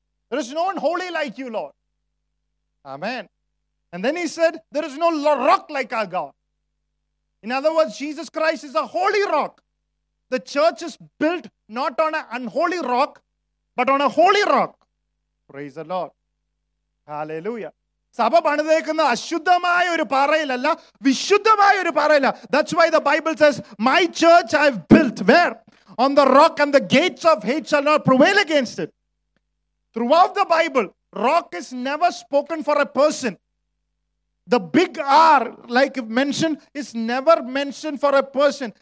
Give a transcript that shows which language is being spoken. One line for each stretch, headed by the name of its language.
English: There is no one holy like you, Lord. Amen. And then he said, there is no rock like our God. In other words, Jesus Christ is a holy rock. The church is built not on an unholy rock, but on a holy rock. Praise the Lord. Hallelujah.
Malayalam: സഭ പണിതേക്കുന്ന അശുദ്ധമായ ഒരു പാറയിലല്ല, വിശുദ്ധമായ ഒരു പാറയില്ല.
English: That's why the Bible says, my church I've built where? On the rock, and the gates of hate shall not prevail against it. Throughout the Bible, rock is never spoken for a person. The big R, like mentioned, is never mentioned for a person.